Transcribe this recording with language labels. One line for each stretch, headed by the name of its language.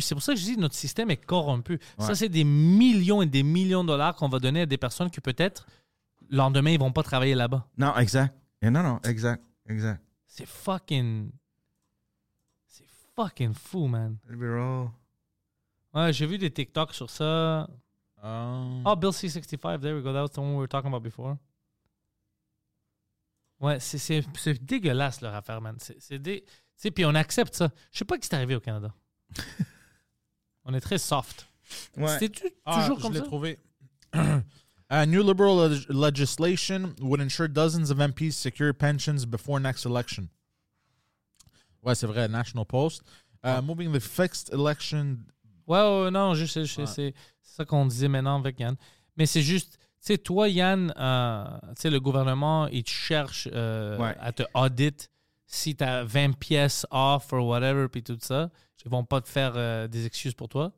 French: C'est pour ça que je dis que notre système est corrompu. Ouais. Ça, c'est des millions et des millions de dollars qu'on va donner à des personnes qui peut-être... Le lendemain, ils vont pas travailler là-bas. Non, exact. Non, exact. C'est fucking fou, man.
English: Liberal.
French: Ouais, j'ai vu des TikToks sur ça.
English: Bill C-65, there we go. That was the one we were talking about before.
French: Ouais, c'est dégueulasse, leur affaire, man. Puis on accepte ça. Je sais pas qui c'est arrivé au Canada. On est très soft. Ouais. C'était toujours comme ça? Je l'ai trouvé.
English: new liberal legislation would ensure dozens of MPs secure pensions before next election.
French: Ouais, c'est vrai,
English: National Post. Moving the fixed election.
French: Ouais, ouais non, juste ouais. C'est ça qu'on disait maintenant avec Yann. Mais c'est juste, tu sais, toi, Yann, tu sais, le gouvernement, il te cherche à te audit si t'as 20 pièces
English: off or whatever,
French: puis tout ça. Ils vont pas te faire des excuses pour toi.